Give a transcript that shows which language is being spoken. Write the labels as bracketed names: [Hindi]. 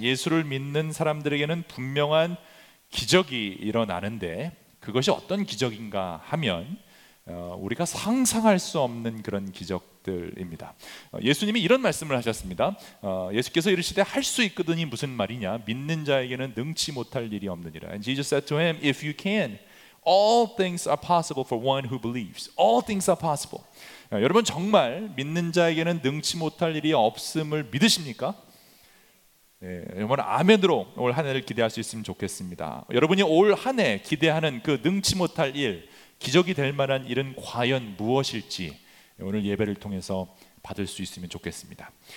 [Korean] 예수를 믿는 사람들에게는 분명한 기적이 일어나는데 그것이 어떤 기적인가 하면 우리가 상상할 수 없는 그런 기적들입니다. 예수님이 이런 말씀을 하셨습니다. 예수께서 이르시되 할 수 있거든이 무슨 말이냐? 믿는 자에게는 능치 못할 일이 없느니라. [English] And Jesus said to him, If you can, all things are possible for one who believes. All things are possible. [Korean] 여러분 정말 믿는 자에게는 능치 못할 일이 없음을 믿으십니까? 예, 여러분 아멘으로 올 한 해를 기대할 수 있으면 좋겠습니다. 여러분이 올 한 해 기대하는 그 능치 못할 일, 기적이 될 만한 일은 과연 무엇일지 오늘 예배를 통해서 받을 수 있으면 좋겠습니다.